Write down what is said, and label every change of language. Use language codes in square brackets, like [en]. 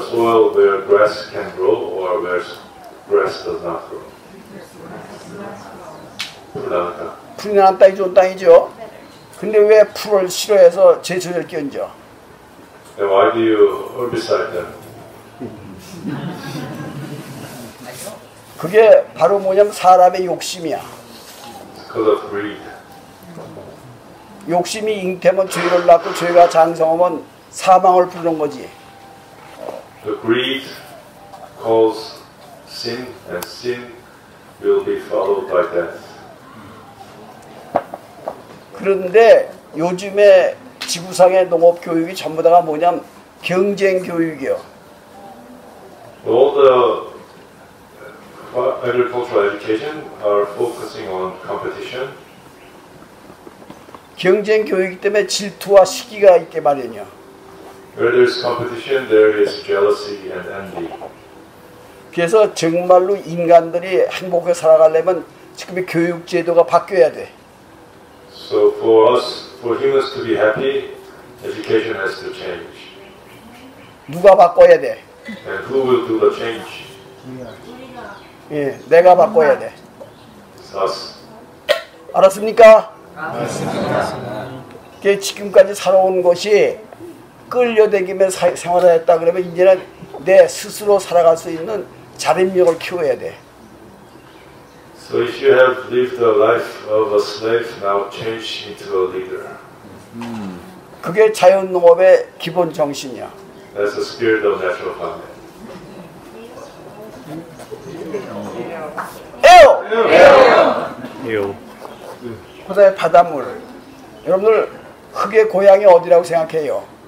[en] A soil where grass can grow or where grass does not grow? [ko] 풀이 나는 땅이 좋은 땅이죠. 근데 왜 풀을 싫어해서 제철을 견뎌? [en] And why do you herbicide them? [ko] 그게 바로 뭐냐면 사람의 욕심이야. [en] Because of greed. [ko] 욕심이 잉태면 죄를 낳고 죄가 장성하면 사망을 부르는 거지. [en] The greed calls sin, and sin will be followed by death. [ko] 그런데 요즘에 지구상의 농업 교육이 전부 다가 뭐냐면 경쟁 교육이요. [en] All the agricultural education are focusing on competition. [ko] 경쟁 교육이기 때문에 질투와 시기가 있게 마련이요. [en] Where there is competition, there is jealousy and envy. [ko] 그래서 정말로 인간들이 행복하게 살아가려면 지금의 교육 제도가 바뀌어야 돼. [en] So for us, for humans to be happy, education has to change. [ko] 누가 바꿔야 돼? [en] And who will do the change? [ko] 예, 내가 바꿔야 돼. [en] It's us. [ko] 알았습니까? 맞습니다. 그 지금까지 살아온 것이 끌려다니며 생활하였다 그러면 이제는 내 스스로 살아갈 수 있는 자립력을 키워야 돼. [en] So if you have lived the life of a slave, now change into a leader. [ko] 그게 자연농업의 기본 정신이야. [en] That's the spirit of natural farming. 에오. 에오. [ko] 호사의 바닷물. 여러분들 흙의 고향이 어디라고 생각해요?